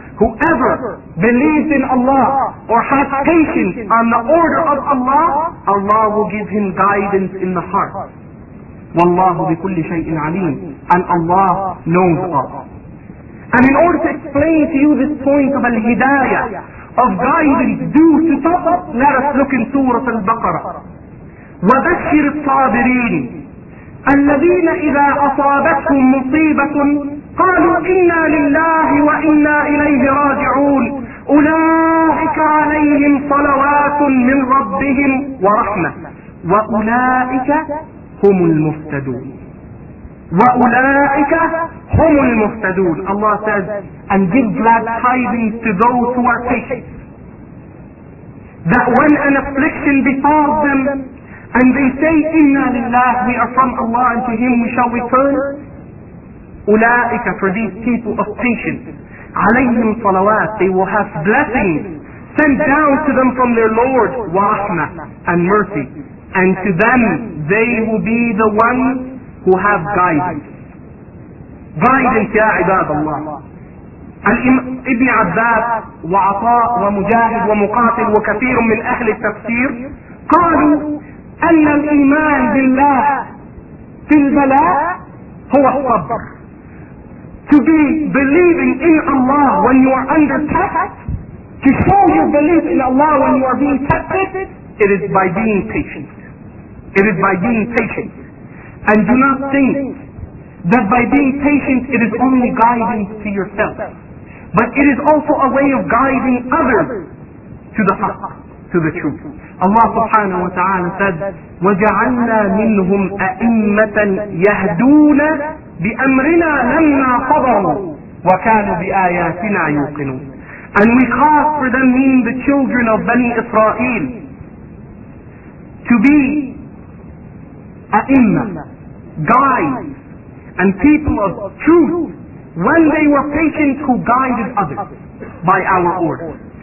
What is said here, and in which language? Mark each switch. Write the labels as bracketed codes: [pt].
[en] Whoever believes in Allah or has patience on the order of Allah, Allah will give him guidance in the heart. [ar] وَاللَّهُ بِكُلِّ شَيْءٍ عَلِيمٍ. [en] And Allah knows all. And in order to explain to you this point of al-hidayah, of guidance due to sabr, let us look in Surah Al-Baqarah. [ar] وبشر الصابرين الذين إذا أصابتهم مصيبة قالوا إنا لله وإنا إليه راجعون أولئك عليهم صلوات من ربهم ورحمة وأولئك هم المهتدون وأولئك هم المهتدون. [en] Allah says, and give glad tidings to those who are patient, that when an affliction befalls them and they say, [ar] إِنَّا لِلَّهِ, [en] we are from Allah, and to Him we shall return. أُولَٰئِكَ, for these people of patience, [ar] عَلَيْهِمْ صَلَوَاتِ, [en] they will have blessings sent down to them from their Lord, وَرَحْمَةً, and mercy. And to them, they will be the ones who have guidance. [ar] Guidance, يَا عِبَادَ اللَّهِ. Ibn Abbas, وَعَطَاء, وَمُجَاهِد, وَمُقَاتِل, وَكَثِيرٌ مِّنْ أَهْلِ التَّفْسِيرِ, قَالُوا أن الإيمان بالله في البلاء هو الصبر. [en] To be believing in Allah when you are under test, to show your belief in Allah when you are being tested, it is by being patient. It is by being patient. And do not think that by being patient it is only guiding to yourself, but it is also a way of guiding others to the haqq, to the truth. [ar] Allah subhanahu wa ta'ala said, وَجَعَلْنَا مِنْهُمْ أَئِمَّةً يَهْدُونَ بِأَمْرِنَا لَمَّا صَبَرُوا وَكَانُوا بِآيَاتِنَا يُوقِنُونَ. [en] And we caused for them, meaning the children of Bani Israel, to be أَئِمَّةً, guides, and people of truth, when they were patient, who guided others by our order.